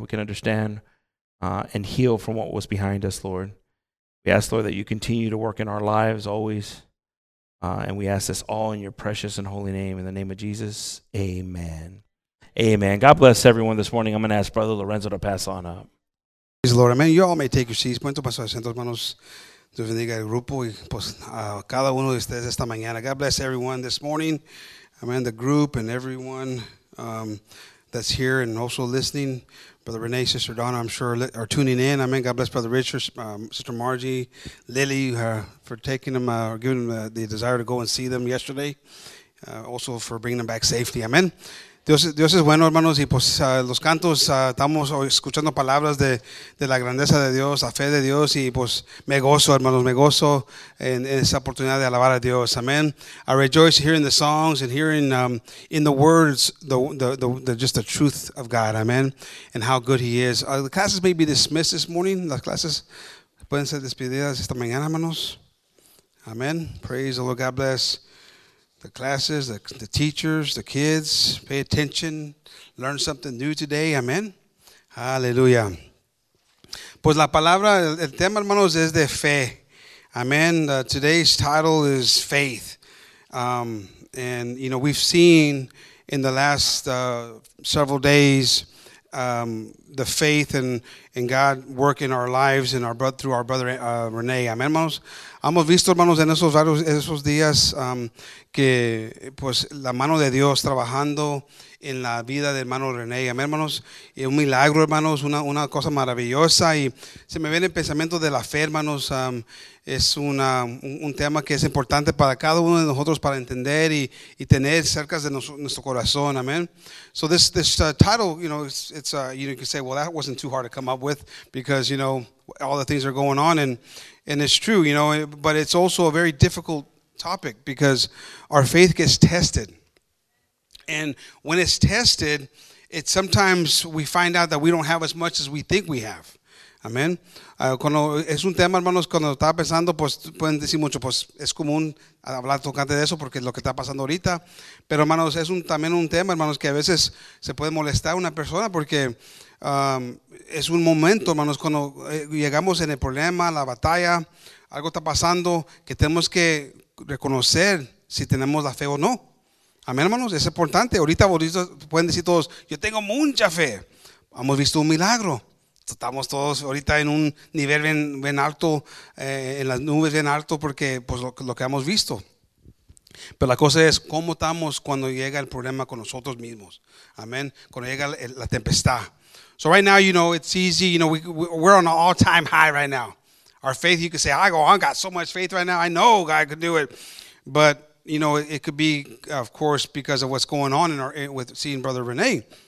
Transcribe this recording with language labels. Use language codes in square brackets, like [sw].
[en] We can understand and heal from what was behind us, Lord. We ask, Lord, that you continue to work in our lives always, and we ask this all in your precious and holy name. In the name of Jesus, amen. Amen. God bless everyone this morning. I'm going to ask Brother Lorenzo to pass on up. Praise the Lord. Amen. You all may take your seats. [es] Puente para sus asientos, hermanos. Dios bendiga el grupo y pues a cada uno de ustedes esta mañana. [en] God bless everyone this morning. Amen. The group and everyone that's here and also listening. Brother Renee, Sister Donna, I'm sure are tuning in. Amen. God bless Brother Richard, Sister Margie, Lily, for taking them or giving them the desire to go and see them yesterday. Also for bringing them back safely. Amen. [es] Dios es bueno, hermanos, y pues los cantos, estamos escuchando palabras de la grandeza de Dios, la fe de Dios, y pues me gozo, hermanos, me gozo en esa oportunidad de alabar a Dios, amen. [en] I rejoice hearing the songs and hearing in the words, the just the truth of God, amen, and how good he is. The classes may be dismissed this morning. [es] Las clases pueden ser despedidas esta mañana, hermanos. [en] Amen. Praise the Lord. God bless the classes, the teachers, the kids. Pay attention. Learn something new today. Amen. Hallelujah. [es] Pues la palabra, el tema, hermanos, es de fe. [en] Amen. Today's title is faith. And, you know, we've seen in the last several days the faith and God work in our lives and through our brother Renee. [es] Amen, hermanos. Hemos visto, hermanos, en esos días que pues la mano de Dios trabajando en la vida de hermano René. Amén, hermanos. Y un milagro, hermanos, una cosa maravillosa. Y se me viene el pensamiento de la fe, hermanos. Es un tema que es importante para cada uno de nosotros para entender y tener cerca de nuestro corazón. Amén. [en] So this title, you know, you can say, well, that wasn't too hard to come up with because, you know, all the things are going on. And it's true, you know, but it's also a very difficult topic because our faith gets tested. And when it's tested, it sometimes we find out that we don't have as much as we think we have. Amen. [es] Cuando es un tema, hermanos, cuando estaba pensando, pues pueden decir mucho, pues es común hablar tocante de eso porque es lo que está pasando ahorita. Pero, hermanos, es también un tema, hermanos, que a veces se puede molestar a una persona porque es un momento, hermanos, cuando llegamos en el problema, la batalla, algo está pasando que tenemos que reconocer si tenemos la fe o no. Amén, hermanos, es importante. Ahorita pueden decir todos, yo tengo mucha fe. Hemos visto un milagro. Estamos todos ahorita en un nivel bien alto, en las nubes bien alto, porque pues lo que hemos visto. Pero la cosa es, ¿cómo estamos cuando llega el problema con nosotros mismos? Amén, cuando llega la tempestad. [en] So right now, you know, it's easy, you know, we're on an all-time high right now. Our faith, you could say, I got so much faith right now, I know God could do it. But, you know, it could be, of course, because of what's going on with seeing Brother Renee.